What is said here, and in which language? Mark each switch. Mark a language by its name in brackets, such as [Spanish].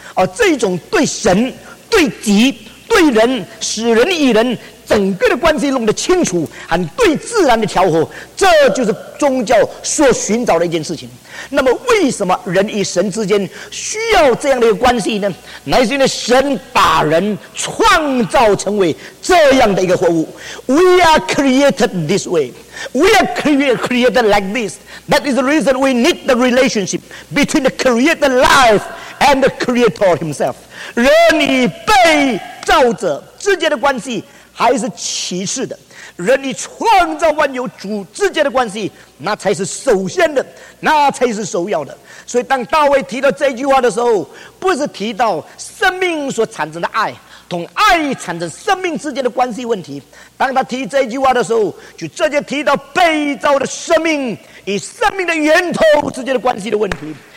[Chinese] 而这种对神对己对人使人与人整个的关系弄得清楚和对自然的调和，这就是宗教所寻找的一件事情。那么为什么人与神之间需要这样的一个关系呢？乃是因为神把人创造成为这样的一个活物。 [English] We are created this way, We are created like this. That is the reason we need the relationship between the created life and the creator himself. [Chinese] 人与被造者之间的关系还是其次的，人与创造万有主之间的关系那才是首先的，那才是首要的。所以当大卫提到这句话的时候，不是提到生命所产生的爱同爱产生生命之间的关系问题，当他提这句话的时候，就直接提到被造的生命与生命的源头之间的关系的问题。